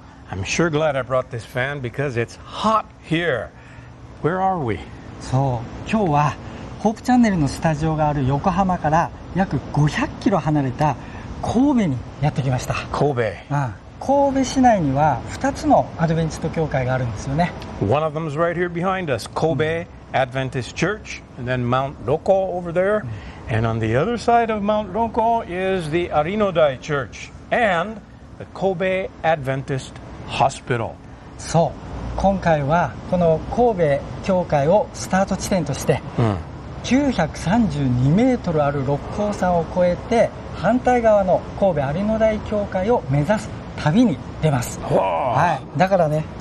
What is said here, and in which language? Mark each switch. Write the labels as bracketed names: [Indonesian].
[English] I'm sure glad I brought this fan because it's hot here. Where are we? [Japanese] そう、今日はホープチャンネルのスタジオがある横浜から約500キロ離れた神戸にやってきました。神戸。神戸市内には2つのアドベンチスト教会があるんですよね。 [English] One of them is right here behind us, Kobe Adventist Church, and then Mount Roko over there. And on the other side of Mount Roko is the Arinodai Church and the Kobe Adventist Hospital. [Japanese] そう、今回はこの神戸教会をスタート地点として、932メートルある六甲山を越えて反対側の神戸有野台教会を目指す旅に出ます。はい。だからね。